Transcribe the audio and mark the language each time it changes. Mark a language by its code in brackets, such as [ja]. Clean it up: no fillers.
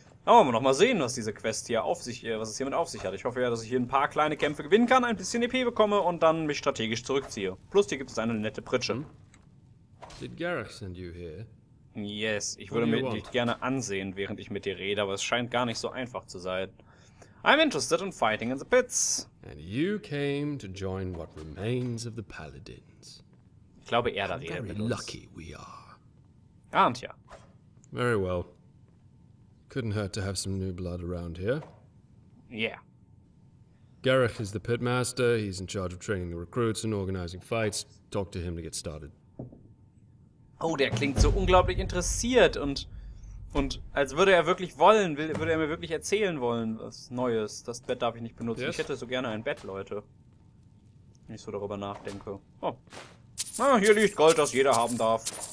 [de] Aber noch mal sehen, was diese Quest hier auf sich, was es hiermit auf sich hat. Ich hoffe ja, dass ich hier ein paar kleine Kämpfe gewinnen kann, ein bisschen EP bekomme und dann mich strategisch zurückziehe. Plus hier gibt es eine nette Pritsche. [en] Did Gareth send you here? Yes, [de] ich würde mir dich gerne ansehen, während ich mit dir rede, aber es scheint gar nicht so einfach zu sein. [en] I'm interested in fighting in the pits. And you came to join what remains of the Paladins. [de] Ich glaube, er da redet mit uns. [en] Very lucky we are. [de] Ahnt ja. [en] Very well. Couldn't hurt to have some new blood around here. Yeah. Gareth is the pitmaster. He's in charge of training the recruits and organizing fights. Talk to him to get started. [de] Oh, der klingt so unglaublich interessiert und als würde er wirklich wollen, würde er mir wirklich erzählen wollen, was Neues. Das Bett darf ich nicht benutzen. [en] Yes? [de] Ich hätte so gerne ein Bett, Leute. Wenn ich so darüber nachdenke. Oh. Ah, hier liegt Gold, das jeder haben darf.